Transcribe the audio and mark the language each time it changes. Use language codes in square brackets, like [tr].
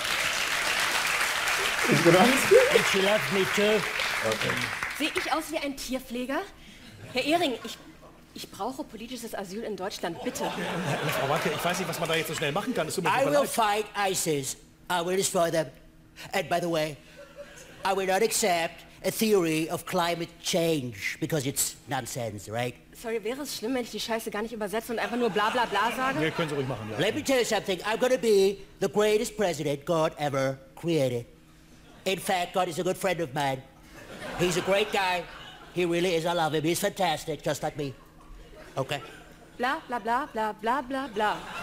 [en] And she loves me too. [de] Sehe ich aus wie ein Tierpfleger? Herr Ehring, ich brauche politisches Asyl in Deutschland, bitte. Frau Wacke, ich weiß nicht, was man da jetzt so schnell machen kann. [en] I will fight ISIS. I will destroy them. And by the way, I will not accept a theory of climate change, because it's nonsense, right? [de] Sorry, wäre es schlimm, wenn ich die Scheiße gar nicht übersetze und einfach nur bla bla bla sage? Nee, können Sie ruhig machen, ja. [en] Let me tell you something, I'm gonna be the greatest president God ever created. In fact, God is a good friend of mine. He's a great guy. He really is, I love him. He's fantastic, just like me. Okay? Bla bla bla bla bla bla bla.